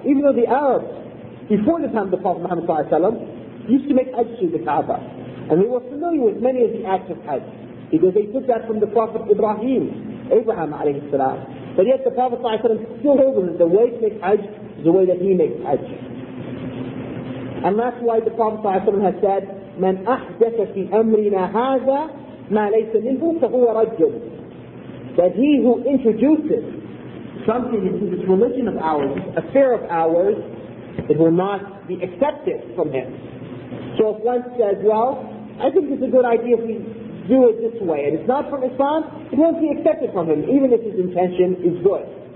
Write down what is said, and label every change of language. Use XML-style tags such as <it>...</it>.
<en>Even though the Arabs, before the time of the Prophet Muhammad used to make Hajj through the Kaaba, and they were familiar with many of the acts of Hajj, because they took that from the Prophet Ibrahim, Abraham alayhi salam. But yet the Prophet still told them that the way to make Hajj is the way that he makes Hajj. And that's why the Prophet has said,</en> <ar>مَنْ أَحْدَثَ فِي أَمْرِنَا هَذَا مَا لَيْسَ مِنْهُ فَهُوَ رَجُّلٌ.</ar> <en>That he who introduces something into this religion of ours, this affair of ours, it will not be accepted from him. So if one says, well, I think it's a good idea if we do it this way, and it's not from Islam, it won't be accepted from him, even if his intention is good.</en>